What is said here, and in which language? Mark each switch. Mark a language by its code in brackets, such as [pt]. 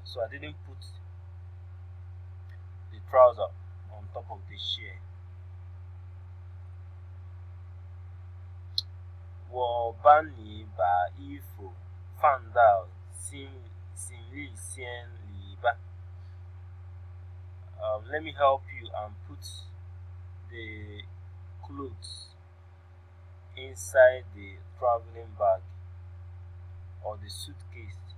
[en] So I didn't put the trouser on top of the chair. [zh] 我帮你把衣服放到行李箱里吧。 [en] Let me help you and put the clothes inside the traveling bag or the suitcase.